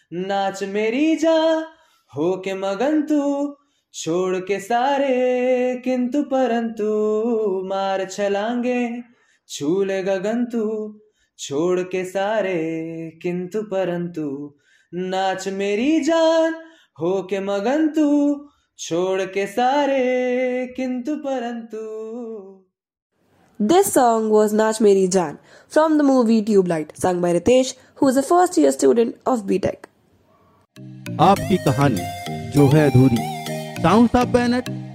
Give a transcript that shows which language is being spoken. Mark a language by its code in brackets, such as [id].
[hi] नाच मेरी जान होके मगन तू छोड़ के सारे किंतु परंतु मार छलांगे छू ले गगन तू छोड़ के सारे किंतु परंतु नाच मेरी जान हो के मगन तू छोड़ के सारे किंतु परंतु. [en] This song was Nach Meri Jaan from the movie Tube Light, sung by Ritesh, who is a first year student of BTech. [hi] आपकी कहानी जो है अधूरी Sounds of Bennett